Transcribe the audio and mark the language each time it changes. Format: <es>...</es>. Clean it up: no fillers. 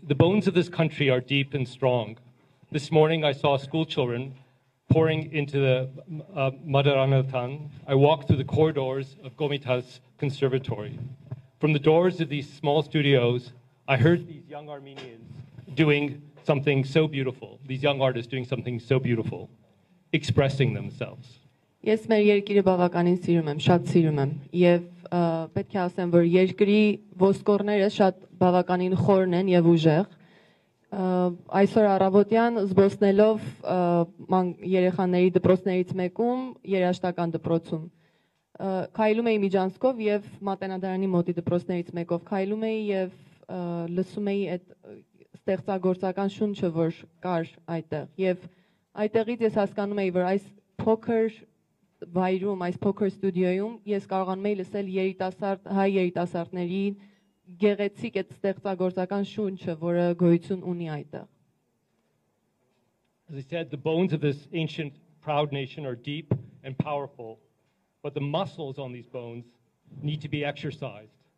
<en>The bones of this country are deep and strong. This morning I saw school children pouring into the Madaranatan. I walked through the corridors of Gomita's conservatory. From the doors of these small studios, I heard these young Armenians doing something so beautiful, these young artists doing something so beautiful, expressing themselves.</en> <hy>Ես մեր երկիրը բավականին սիրում եմ, շատ սիրում եմ, եւ պետք է ասեմ, որ երկրի ոսկորները շատ բավականին խորն են եւ ուժեղ։ Այսօր առավոտյան զբոսնելով երեխաների դպրոցներից մեկում, երաժշտական դպրոցում, քայլում էի միջանցքով եւ մատենադարանի մոտի դպրոցներից մեկով քայլում էի եւ լսում էի այդ ստեղծագործական շունչը, որ կար այդտեղ, եւ այդտեղից ես հասկանում էի, որ այս փոքր վայրում, այս փոքր ստուդիոյում ես կարողանում էի լսել երիտասարդ հայ երիտասարդների գեղեցիկ այդ ստեղծագործական շունչը, որը գոյություն ունի այդտեղ։</hy> <en>As I said, the bones of this ancient proud nation are deep and powerful, but the muscles on these bones need to be exercised.</en>